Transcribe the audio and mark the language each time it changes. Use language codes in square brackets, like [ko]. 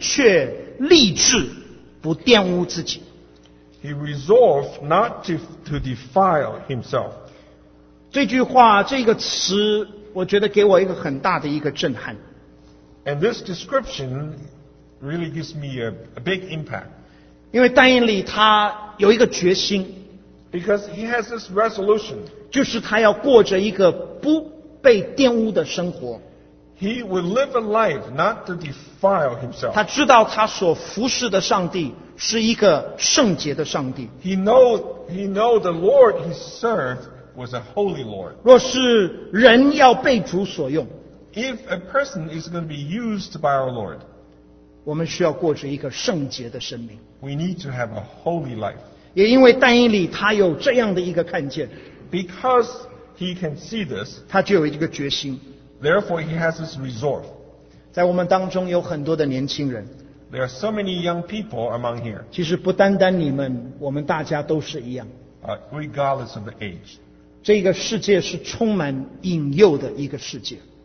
[zh] 其实不单单是四个字，对不起。但以理在第八节，但以理却立志不玷污自己。 [en] He resolved not to defile himself. [zh] 这句话，这个词， 我觉得给我一个很大的一个震撼。 [en] And this description really gives me a big impact. [zh] 因为但以理他有一个决心。 [en] Because he has this resolution. [zh] 就是他要过着一个不被玷污的生活。 [en] He will live a life not to defile himself. [zh] 他知道他所服侍的上帝是一个圣洁的上帝。 [en] He know the Lord he served was a holy Lord. [zh] 若是人要被主所用, [en] if a person is going to be used by our Lord, [zh] 我们需要过着一个圣洁的生命。 [en] We need to have a holy life. [zh] 也因为但以理他有这样的一个看见, [en] because he can see this, [zh] 他就有一个决心。 [en] Therefore, he has this resolve. [zh] 在我们当中有很多的年轻人, [en] there are so many young people among here. [zh] 其实不单单你们, 我们大家都是一样。 [en] Regardless of the age. [zh] 这个世界是充满引诱的一个世界。